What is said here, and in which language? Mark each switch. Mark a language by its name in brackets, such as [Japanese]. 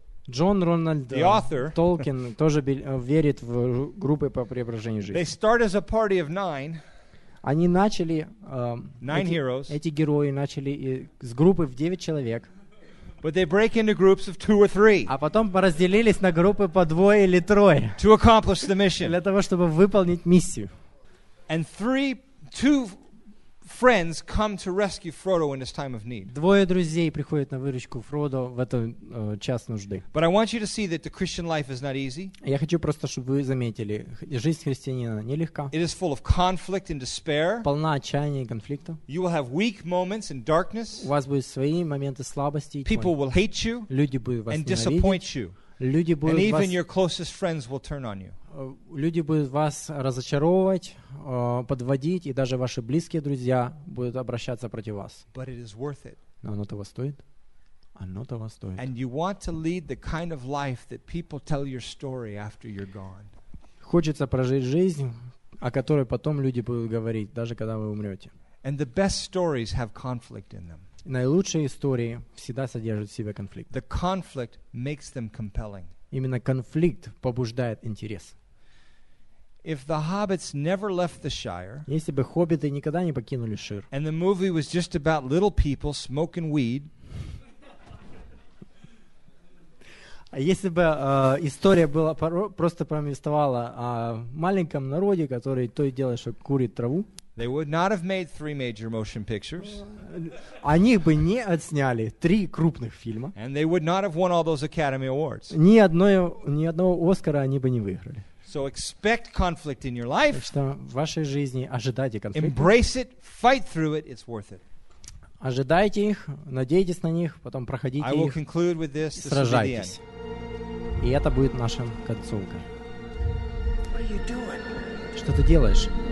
[Russian] Джон Рональд Толкин тоже верит в группы по преображению жизни. [English] They start as a party of nine. [Russian] Они начали [English] nine heroes. [Russian] Эти герои начали с группы в 9 человек. [English] But they break into groups of two or three. [Russian] А потом разделились на группы по двое или трое. [English] To accomplish the mission. [Russian] Для того, чтобы выполнить миссию. [English] And two friends come to rescue Frodo in his time of need. [Russian] Двое друзей приходят на выручку Фродо в этот час нужды. [English] But I want you to see that the Christian life is not easy. [Russian] Я хочу просто, чтобы вы заметили, жизнь христианина нелегка. [English] It is full of conflict and despair. [Russian] Полна отчаяния и конфликта. [English] You will have weak moments and darkness. [Russian] У вас будут свои моменты слабости. [English] People will hate you. [Russian] Люди будут вас ненавидеть. [English] And disappoint you. [Russian] Люди будут вас. [English] And even your closest friends will turn on you. [Russian] Люди будут вас разочаровывать, подводить, и даже ваши близкие друзья будут обращаться против вас. [English] But it is worth it. [Russian] Но оно того стоит. Оно того стоит. [English] And you want to lead the kind of life that people tell your story after you're gone. [Russian] Хочется прожить жизнь, о которой потом люди будут говорить, даже когда вы умрете. [English] And the best stories have conflict in them. [Russian] Наилучшие истории всегда содержат в себе конфликт. [English] The conflict makes them compelling. [Russian] Именно конфликт побуждает интерес. [English] If the hobbits never left the Shire, [Russian] если бы хоббиты никогда не покинули Шир, [English] and the movie was just about little people smoking weed, [Russian] если бы история была просто повествовала о маленьком народе, который то и дело, что курит траву, [English] they would not have made three major motion pictures. [Russian] Они бы не отсняли три крупных фильма. [English] And they would not have won all those Academy Awards. [Russian] Ни одного Оскара они бы не выиграли. [English] So expect conflict in your life. [Russian] Так что в вашей жизни ожидайте конфликт. [English] Embrace it, fight through it, it's worth it. [Russian] Ожидайте их, надейтесь на них, потом проходите их. [English] I will conclude with this. [Russian] Сражайтесь. И это будет нашим концовкой. [English] What are you doing? [Russian] Что ты делаешь?